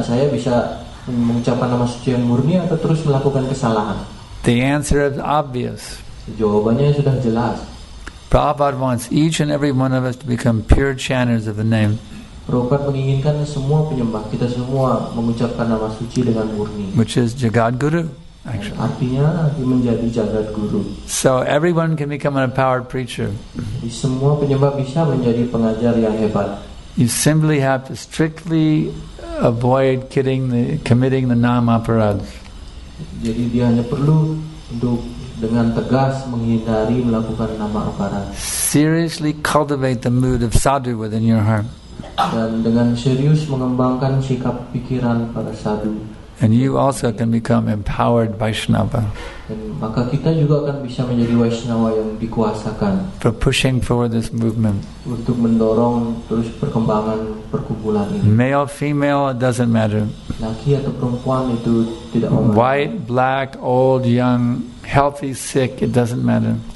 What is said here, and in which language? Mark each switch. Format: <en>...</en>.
<id>Saya bisa mengucapkan nama suci yang murni atau terus melakukan kesalahan?"</id> <en>The answer is obvious.</en> <id>Jawabannya sudah jelas.</id> <en>Prabhupada wants each and every one of us to become pure chanters of the name.</en> <id>Prabhupada menginginkan semua penyembah, kita semua mengucapkan nama suci dengan murni.</id> <en>Which is Jagat Guru. Actually.</en> <id>Artinya dia menjadi Jagat Guru.</id> <en>So everyone can become an empowered preacher.</en> <id>Semua penyembah bisa menjadi pengajar yang hebat.</id> <en>You simply have to strictly avoid committing the nama aparadha.</en> <id>Jadi dia hanya perlu untuk dengan tegas menghindari melakukan nama aparadha.</id> <en>Seriously cultivate the mood of sadhu within your heart.</en> <id>dan dengan serius mengembangkan sikap pikiran para sadhu.</id> <en>And you also can become empowered Vaishnava.</en> <id>Dan maka kita juga akan bisa menjadi Vaishnava yang dikuasakan.</id> <en>For pushing forward this movement.</en> <id>Untuk mendorong terus perkembangan perkumpulan ini.</id> <en>Male, female, it doesn't matter.</en> <id>Laki atau perempuan itu tidak memandang.</id> <en>White, black, old, young, healthy, sick, it doesn't matter.</en>